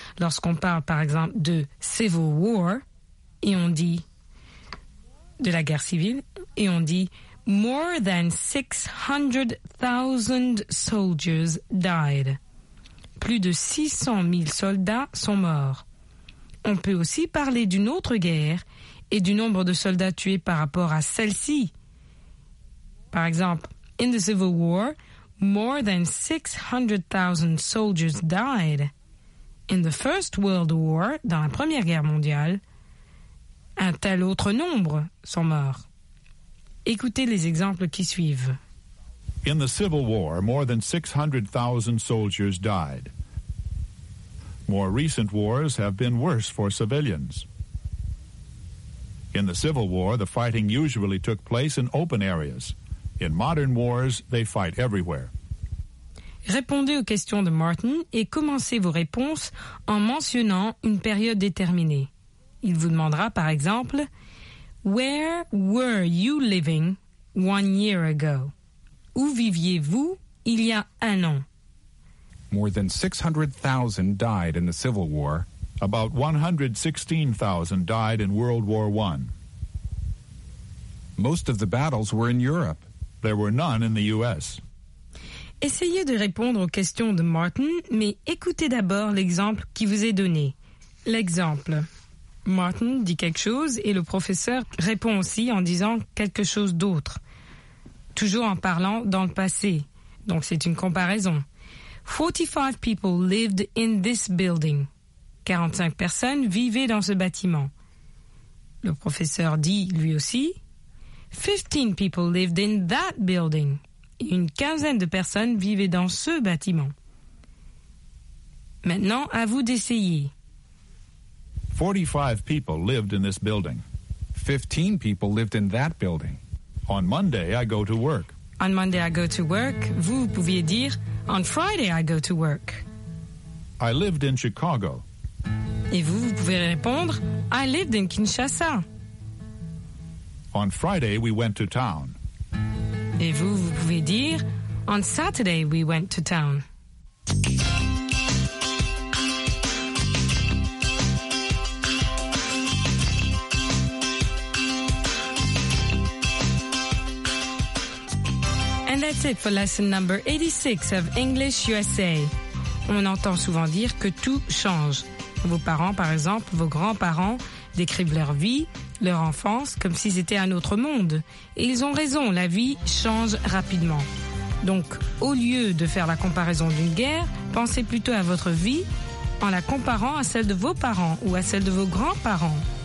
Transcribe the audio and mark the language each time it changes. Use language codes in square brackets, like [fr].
[fr] Lorsqu'on parle, par exemple, de Civil War, et on dit de la guerre civile, et on dit [en] More than 600,000 soldiers died. [fr] Plus de 600 000 soldats sont morts. On peut aussi parler d'une autre guerre et du nombre de soldats tués par rapport à celle-ci. Par exemple, [en] in the Civil War, more than 600,000 soldiers died. In the First World War, [fr] dans la Première Guerre mondiale, un tel autre nombre sont morts. Écoutez les exemples qui suivent. [en] In the Civil War, more than 600,000 soldiers died. More recent wars have been worse for civilians. In the Civil War, the fighting usually took place in open areas. In modern wars, they fight everywhere. [fr] Répondez aux questions de Martin et commencez vos réponses en mentionnant une période déterminée. Il vous demandera, par exemple, [en] Where were you living 1 year ago? [fr] Où viviez-vous il y a un an? [en] More than 600,000 died in the Civil War. About 116,000 died in World War I. Most of the battles were in Europe. There were none in the U.S. [fr] Essayez de répondre aux questions de Martin, mais écoutez d'abord l'exemple qui vous est donné. L'exemple. Martin dit quelque chose et le professeur répond aussi en disant quelque chose d'autre. Toujours en parlant dans le passé. Donc c'est une comparaison. [en] 45 people lived in this building. [fr] 45 personnes vivaient dans ce bâtiment. Le professeur dit, lui aussi, [en] 15 people lived in that building. [fr] Une quinzaine de personnes vivaient dans ce bâtiment. Maintenant, à vous d'essayer. [en] 45 people lived in this building. 15 people lived in that building. On Monday, I go to work. On Monday, I go to work. [fr] Vous pouviez dire, [en] On Friday, I go to work. I lived in Chicago. [fr] Et vous pouvez répondre, [en] I lived in Kinshasa. On Friday, we went to town. [fr] Et vous pouvez dire, [en] On Saturday, we went to town. That's it for lesson number 86 of English USA. [fr] On entend souvent dire que tout change. Vos parents, par exemple, vos grands-parents, décrivent leur vie, leur enfance, comme si c'était un autre monde. Et ils ont raison, la vie change rapidement. Donc, au lieu de faire la comparaison d'une guerre, pensez plutôt à votre vie en la comparant à celle de vos parents ou à celle de vos grands-parents.